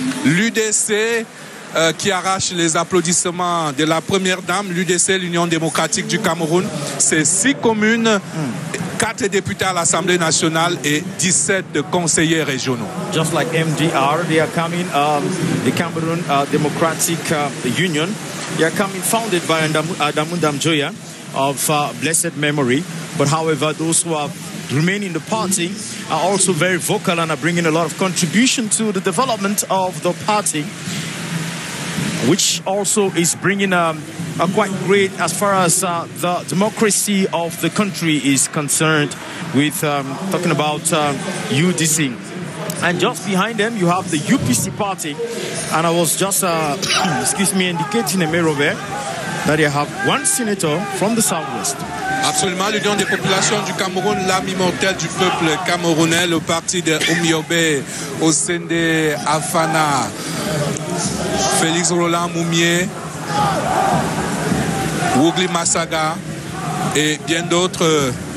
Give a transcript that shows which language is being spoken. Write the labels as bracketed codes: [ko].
[fr] L'UDC qui arrache les applaudissements de la première dame, l'UDC, l'Union démocratique du Cameroun, c'est 6 communes, 4 députés à l'Assemblée nationale et 17 conseillers régionaux. [en] Just like MDR, they are coming, the Cameroon Democratic Union, they are coming founded by Adamu Damjoya of blessed memory. But however, those who are remaining in the party are also very vocal and are bringing a lot of contribution to the development of the party, which also is bringing a quite great, as far as the democracy of the country is concerned, with talking about UDC. And just behind them, you have the UPC party. And I was just, indicating a mirror there, that you have one senator from the southwest. [fr] Absolument, l'Union des populations du Cameroun, l'âme immortelle du peuple camerounais, le parti de Oumiobé, Ossende Afana, Félix Roland Moumier, Wougli Massaga et bien d'autres